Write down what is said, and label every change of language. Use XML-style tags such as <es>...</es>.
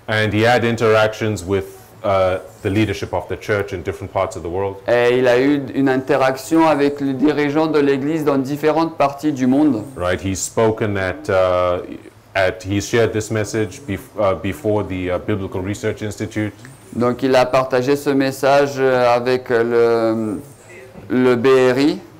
<en>And he had interactions with the leadership of the church in different parts of the world.</en> <fr>Et il a eu une interaction avec le dirigeant de l'église dans différentes parties du monde.</fr> <en>Right, he's spoken he shared this message before the Biblical Research Institute.</en> <fr>Donc il a partagé ce message avec le BRI,</fr>